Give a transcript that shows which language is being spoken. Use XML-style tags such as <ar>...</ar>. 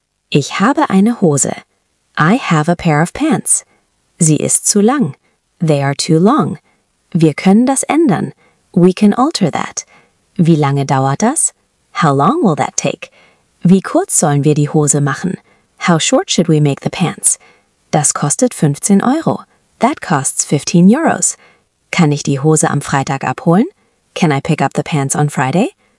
<de>Ich habe eine Hose.</de> <en>I have a pair of pants.</en> <de>Sie ist zu lang.</de> <en>They are too long.</en> <de>Wir können das ändern.</de> <en>We can alter that.</en> <de>Wie lange dauert das?</de> <en>How long will that take?</en> <de>Wie kurz sollen wir die Hose machen?</de> <en>How short should we make the pants?</en> <de>Das kostet 15 Euro.</de> <en>That costs 15 euros.</en> <de>Kann ich die Hose am Freitag abholen?</de> <en>Can I pick up the pants on Friday?</en>